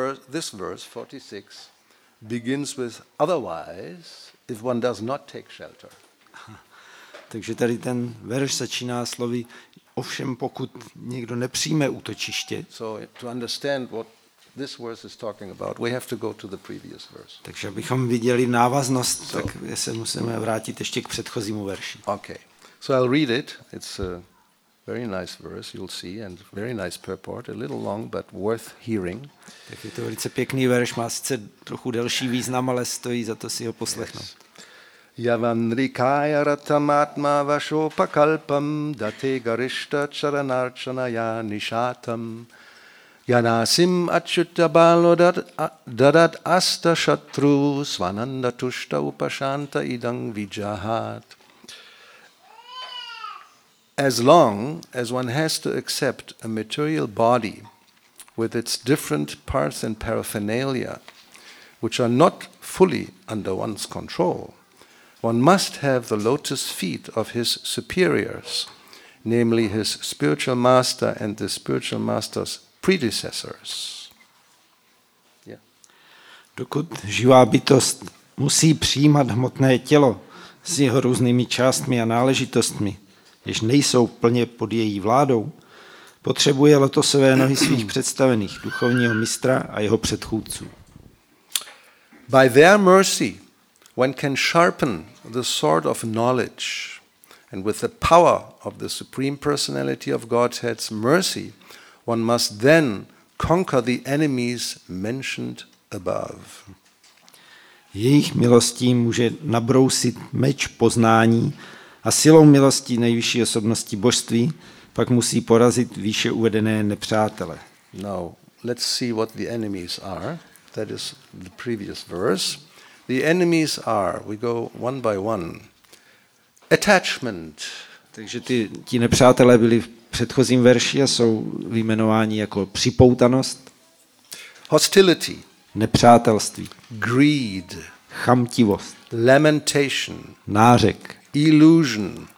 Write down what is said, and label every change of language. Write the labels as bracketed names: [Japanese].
[English] This verse 46 begins with otherwise if one does not take shelter. [Czech] Takže tady ten verš začíná slovy ovšem pokud někdo nepřijme útočiště. [English] So to understand what this verse is talking about, we have to go to the previous verse. [Czech] Takže abychom viděli návaznost, tak se musíme vrátit ještě k předchozímu verši. [English] Okay. So I'll read it. It's a very nice verse, you'll see, and very nice purport, a little long, but worth hearing. [Czech] Tak je to velice pěkný verš, má sice trochu delší význam, ale stojí za to si ho poslechnout. [Sanskrit] Yavandrikaya ratamatma vashopakalpam date garishta charanarchanaya nishatam yanasim achyutta balodat dadat asta shatru svananda tushta upashanta idang vijahat. [English] As long as one has to accept a material body with its different parts and paraphernalia, which are not fully under one's control, one must have the lotus feet of his superiors, namely his spiritual master and the spiritual master's predecessors. Yeah. [Czech] Dokud živá bytost musí přijímat hmotné tělo s jeho různými částmi a náležitostmi, jež nejsou plně pod její vládou, potřebuje lotosové nohy svých představených, duchovního mistra a jeho předchůdců. [English] By their mercy, one can sharpen the sword of knowledge, and with the power of the Supreme Personality of Godhead's mercy, one must then conquer the enemies mentioned above. [Czech] Jejich milostí může nabrousit meč poznání, a silou milosti nejvyšší osobnosti božství pak musí porazit výše uvedené nepřátele. [English] Now, let's see what the enemies are. That is the previous verse. The enemies are, we go one by one. Attachment. [Czech] Takže ti nepřátelé byli v předchozím verši a jsou vyjmenováni jako připoutanost. [English] Hostility. [Czech] Nepřátelství. [English] Greed. [Czech] Chamtivost. [English] Lamentation. [Czech] Nářek. [English] Illusion,